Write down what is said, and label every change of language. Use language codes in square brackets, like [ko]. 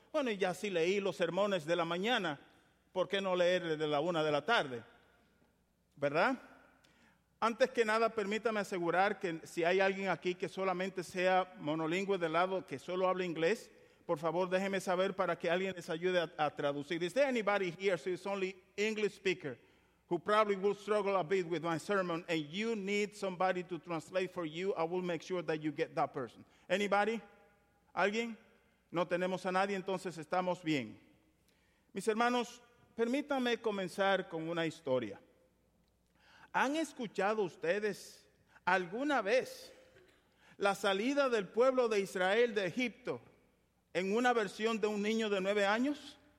[es] Bueno, y ya sí leí los sermones de la mañana, ¿por qué no leer de la 1 de la tarde? ¿Verdad? Antes que nada, permítame asegurar que si hay alguien aquí que solamente sea monolingüe de lado, que solo hable inglés, por favor déjeme saber para que alguien les ayude a traducir. [en] Is there anybody here who is only English speaker who probably will struggle a bit with my sermon and you need somebody to translate for you? I will make sure that you get that person. Anybody? ¿Alguien? [es] No tenemos a nadie, entonces estamos bien. Mis hermanos, permítanme comenzar con una historia. ¿Han escuchado ustedes alguna vez la salida del pueblo de Israel de Egipto en una versión de un niño de 9 años?